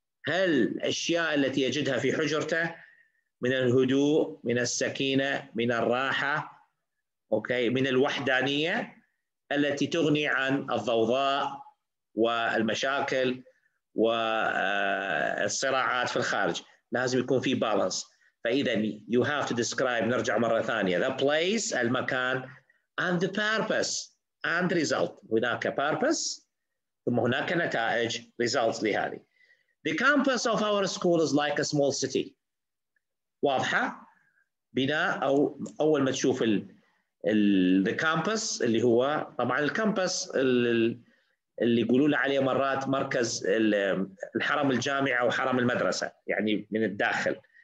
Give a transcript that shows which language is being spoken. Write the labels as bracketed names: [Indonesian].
[Arabic] هل الأشياء التي يجدها في حجرته من الهدوء، من السكينة، من الراحة، أوكي، من الوحدانية التي تغني عن الضوضاء والمشاكل والصراعات في الخارج؟ لازم يكون في بالانس. [English] فإذا you have to describe، [Arabic] نرجع مرة ثانية، [English] the place، المكان، and the purpose and result. [Arabic] هناك purpose ثم هناك نتائج results لهذه. [English] The campus of our school is like a small city. [Arabic] واضحة بناء، أو أول ما تشوف the campus اللي هو طبعا الكامبس اللي يقولوا له عليه مرات مركز الحرم الجامعة أو حرم المدرسة، يعني من الداخل.